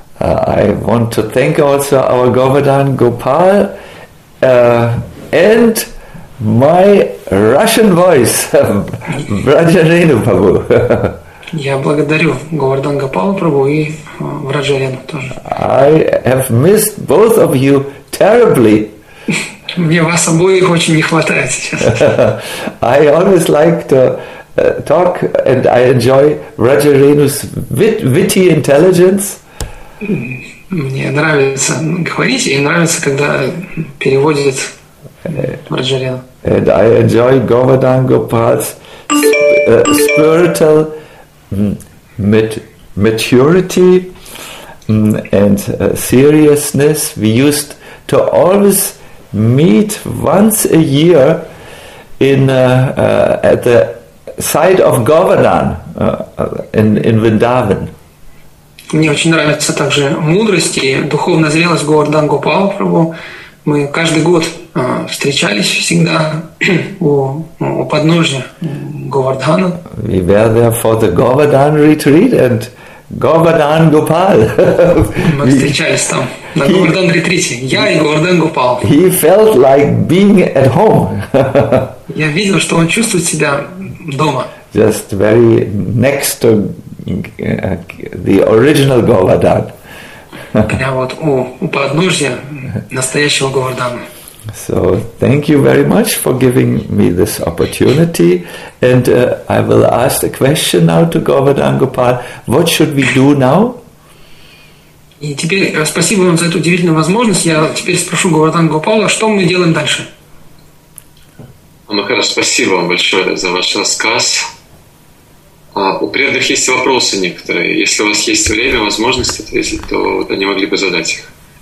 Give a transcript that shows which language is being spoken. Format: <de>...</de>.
<en>I want to thank also our Govardhan Gopal and my Russian voice, Vraja Renu Prabhu.</en> <ru>Я благодарю Говардан Гопала Прабу и Враджа Рену тоже.</ru> <en>I have missed both of you terribly.</en> <ru>Мне вас обоих очень не хватает сейчас.</ru> <en>I always like to talk and I enjoy Vraja Renu's witty intelligence.</en> <ru>Мне нравится говорить и нравится, когда переводит Vraja Renu.</ru> <en>And I enjoy Govardhan Gopal's spiritual maturity and seriousness. We used to always meet once a year at the site of Govardhan in Vrindavan.</en> <ru>Мне очень нравится также мудрость и духовная зрелость Govardhan Gopal Prabhu. Мы каждый год встречались всегда у подножия Говардхана.</ru> <en>We were there for the Govardhan retreat and Govardhan Gopal.</en> <ru>Мы встречались там на Говардхан ретрите. Я и Говардхан Гопал.</ru> <en>He felt like being at home.</en> <ru>Я видел, что он чувствует себя дома.</ru> <en>Just very next to the original Govardhan.</en> <ru>Прямо вот у подножия настоящего Говардхана.</ru> <en>So thank you very much for giving me this opportunity, and I will ask a question now to Govardhan Gopal. What should we do now?</en> <ru>И теперь спасибо вам за эту удивительную возможность. Я теперь спрошу Говардхан Гопала, что мы делаем дальше? Махара, спасибо вам большое за ваш рассказ. У преданных есть вопросы некоторые. Если у вас есть время, возможность ответить, то они могли бы задать их.</ru>